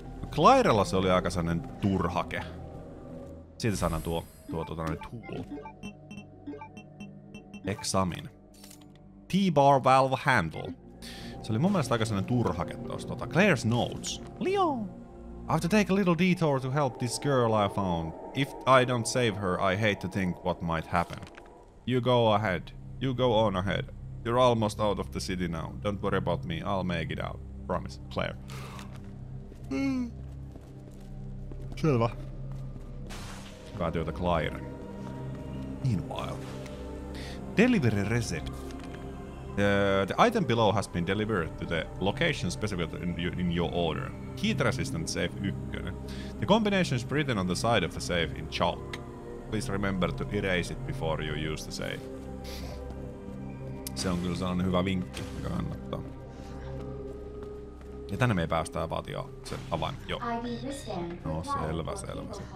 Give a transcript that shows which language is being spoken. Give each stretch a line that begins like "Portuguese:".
Finnish: Clairella se oli aika sellainen turhake. Siitä saadaan tuo tool.
English: Examine. T-bar valve handle.
Finnish: Se oli mun mielestä aika sellainen turhake tuossa.
English: Claire's notes.
Finnish: Leo!
English: I have to take a little detour to help this girl I found. If I don't save her, I hate to think what might happen. You go ahead. You go on ahead. You're almost out of the city now. Don't worry about me. I'll make it out. Promise. Claire.
Finnish: Selvä. Hyvää työtä,
English: Claire. Meanwhile. Delivery receipt. The item below has been delivered to the location specified in your order. Heat resistant safe 1. The combination is written on the side of the safe in chalk. Please remember to erase it before you use the safe.
Finnish: Se on kyllä sellainen hyvä vinkki, joka kannattaa. Ja tänne me ei päästä avaamaan jo sen avain. No selvä, selvä.